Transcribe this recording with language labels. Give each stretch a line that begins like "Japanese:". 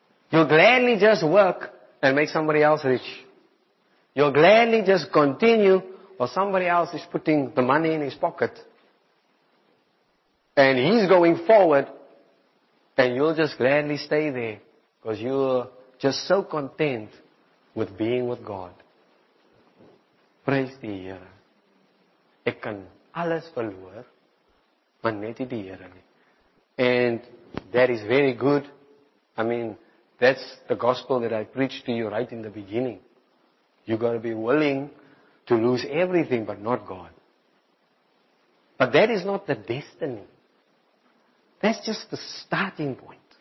English: You'll gladly just work and make somebody else rich. You'll gladly just continue while somebody else is putting the money in his pocket. And he's going forward and you'll just gladly stay there because you're just so content with being with God.
Afrikaans: Prys die Here. Ek kan alles verloor, maar net nie die Here nie.
English: And that is very good. I mean, that's the gospel that I preached to you right in the beginning. You got to be willing to lose everything, but not God. But that is not the destiny. That's just the starting point.